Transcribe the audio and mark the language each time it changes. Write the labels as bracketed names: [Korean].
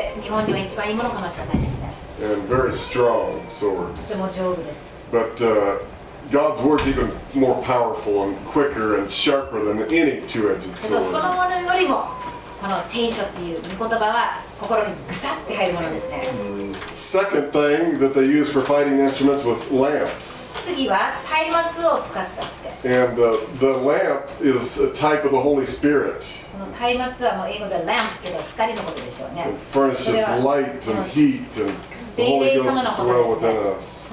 [English] And very strong swords. But God's word is even more powerful and quicker and sharper than any two-edged sword. [Japanese] この聖書っていう御言葉は心にグサッて入るものですね。 [English] Second thing that they used for fighting instruments was lamps. [Japanese] 次は松明を使ったって。 [English] And the lamp is a type of the Holy Spirit. It furnishes light and heat, and the Holy Ghost is to dwell within us.